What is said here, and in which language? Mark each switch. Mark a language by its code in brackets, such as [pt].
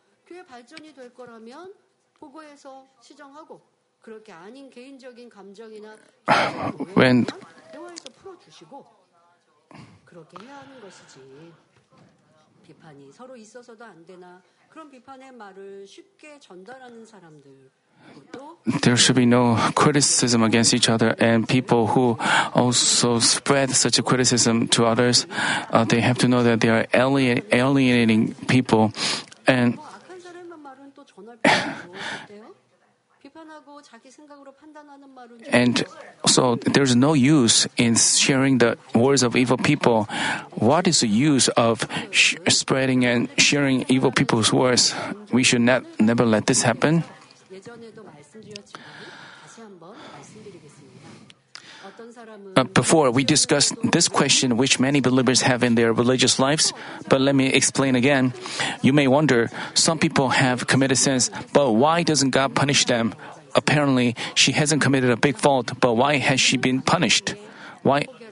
[ko] 교회 발전이 될 거라면 보고해서 시정하고 그렇게 아닌 개인적인 감정이나 왠 대화에서 풀어주시고 그렇게 해야 하는 것이지. 비판이 서로 있어서도 안 되나 그런 비판의 말을 쉽게 전달하는 사람들. [en] There should be no criticism against each other, and people who also spread such a criticism to others, they have to know that they are alienating people. And so there's no use in sharing the words of evil people. What is the use of spreading and sharing evil people's words? We should never let this happen. [ko] 예전에도 말씀드렸지만 다시 한번 말씀드리겠습니다. [en] Before, we discussed this question which many believers have in their religious lives, but let me explain again. You may wonder, some people have committed sins, but why doesn't God punish them? Apparently, she hasn't committed a big fault, but why has she been punished? Why?